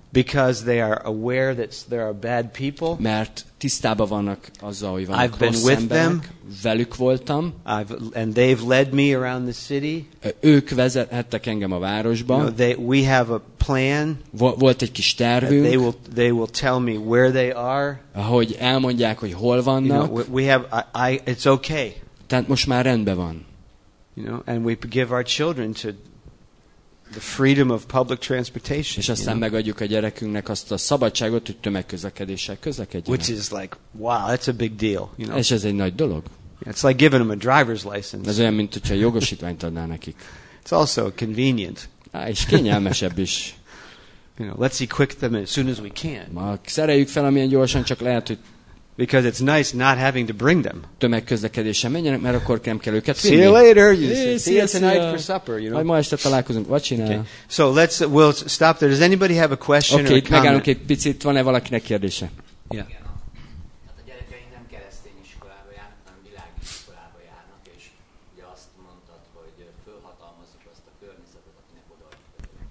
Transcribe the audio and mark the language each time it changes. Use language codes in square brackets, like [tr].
[en] Because they are aware that there are bad people. [hu] Mert tisztában vannak azzal, hogy vannak rossz emberek. [en] I've been with them. [hu] Velük voltam. [en] And they've led me around the city. [hu] Ők vezethettek engem a városba. [en] You know, we have a plan. [hu] Volt egy kis tervünk. [en] They will tell me where they are. [hu] Ahogy elmondják, hogy hol vannak. [en] You know, we have it's okay. [hu] Tehát most már rendben van. [en] You know, and we give our children to the freedom of public transportation. [hu] És aztán megadjuk a gyerekünknek azt a szabadságot, hogy tömegközlekedéssel közlekedjenek. [en] Which is like, wow, that's a big deal. You know? [hu] És ez egy nagy dolog. [en] It's like giving them a driver's license. [hu] Ez olyan, mint hogyha jogosítványt adná nekik. [en] It's also convenient. [hu] És kényelmesebb is. [en] You know, let's equip them as soon as we can. [hu] Szereljük fel, amilyen gyorsan csak lehet, hogy [en] because it's nice not having to bring them. [hu] Tömegközlekedéssel menjenek, mert akkor nem kell őket vinni. [en] See you later. See you tonight for supper, you know. [hu] Majd ma este találkozunk. [en] What you know? Okay. So let's we'll stop there. Does anybody have a question okay, or a comment? [hu] Megállunk egy picit, van-e valakinek kérdése? [en] Yeah. [hu] Hát a gyerekeim nem keresztény iskolába járnak, hanem világi iskolába járnak, és ugye azt mondtad, hogy fölhatalmazzuk azt a környezetet, akinek odaadjuk.